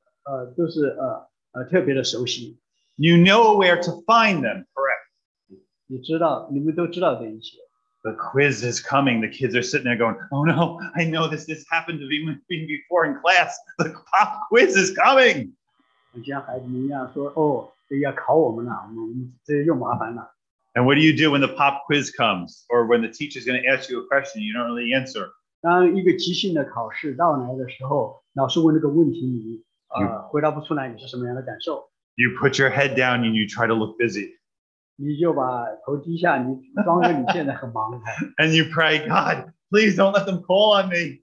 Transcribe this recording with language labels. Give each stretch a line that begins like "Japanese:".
Chinese: 你对他们都耳闻，都是特别的熟悉。
English: You know where to find them, correct?
Chinese: 你知道，你们都知道这一些。
English: The quiz is coming. The kids are sitting there going, oh no, I know this. This happened to me before in class. The pop quiz is coming.
Chinese: 像孩子们一样说，哦，这要考我们了，我们这又麻烦了。
English: And what do you do when the pop quiz comes? Or when the teacher is going to ask you a question, you don't really answer.
Chinese: 当一个即兴的考试到来的时候，老师问这个问题，你回答不出来，你是什么样的感受？
English: You put your head down and you try to look busy.
Chinese: 你就把头低下，你装着你现在很忙。
English: And you pray, God, please don't let them call on me.